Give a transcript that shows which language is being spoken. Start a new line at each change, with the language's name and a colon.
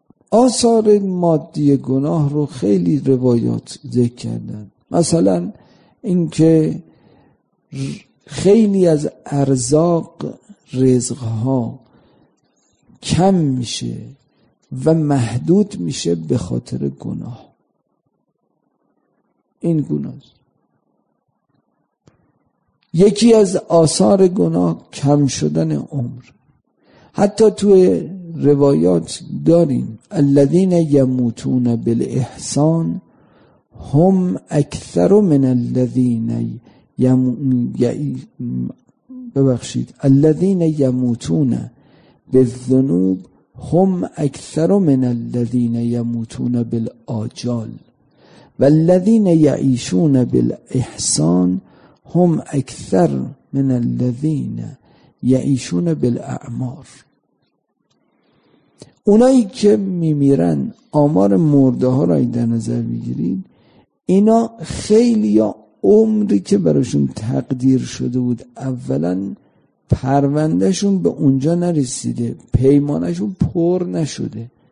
Persian: آثار مادی گناه رو خیلی روایات ذکر کردن، مثلا اینکه خیلی از ارزاق، رزقها کم میشه و محدود میشه به خاطر گناه. این گناه است. یکی از آثار گناه کم شدن عمر. حتی توی روایات داریم:
Arabic: الذين يموتون بالاحسان هم اكثر من الذين يموتون بالذنوب هم اكثر من الذين يموتون بالاجال والذين يعيشون بالاحسان هم اكثر من الذين يعيشون بالاعمار.
Persian: اونایی که میمیرن، آمار مرده ها را در نظر میگیرید، اینا خیلی ها عمری که براشون تقدیر شده بود، اولا پروندهشون به اونجا نرسیده، پیمانشون پر نشده،